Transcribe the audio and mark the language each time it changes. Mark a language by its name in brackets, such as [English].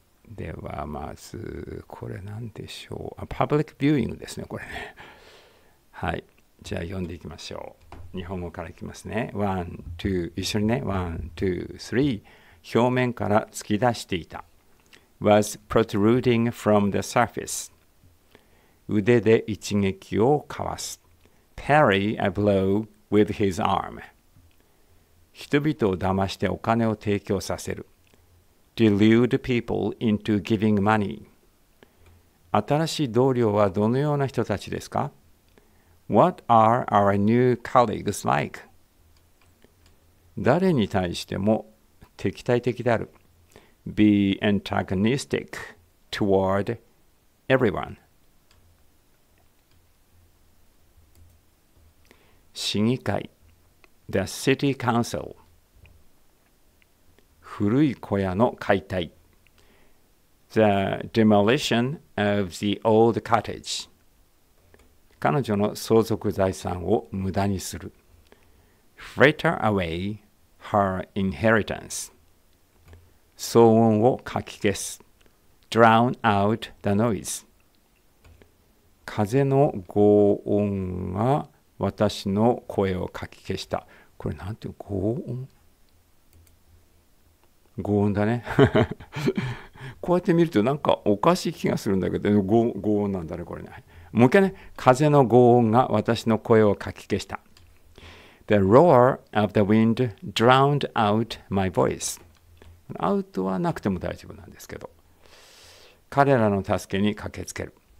[Japanese] ではまずこれ何でしょう。パブリックビューイングですね、これね。はい、じゃあ読んでいきましょう。日本語からいきますね。ワン、ツー、一緒にね。ワン、ツー、スリー。表面から突き出していた。 [English] Was protruding from the surface. [Japanese] 腕で一撃をかわす。 [English] Parry a blow with his arm. [Japanese] 人々を騙してお金を提供させる。 [English] Delude people into giving money. [Japanese] 新しい同僚はどのような人たちですか？ [English] What are our new colleagues like? [Japanese] 誰に対しても敵対的である。 [English] Be antagonistic toward everyone. [Japanese] 市議会、 [English] The City Council。 [Japanese] 古い小屋の解体。 [English] The demolition of the old cottage. [Japanese] 彼女の相続財産を無駄にする。 [English] Fritter away her inheritance. [Japanese] 騒音をかき消す。 [English] Drown out the noise. [Japanese] 風の轟音が私の声をかき消した。これなんていう轟音？轟音だね。こうやって見るとなんかおかしい気がするんだけど、轟音なんだね、これね。もう一回ね。風の轟音が私の声をかき消した。 [English] The roar of the wind drowned out my voice. [Japanese] アウトはなくても大丈夫なんですけど。彼らの助けに駆けつける。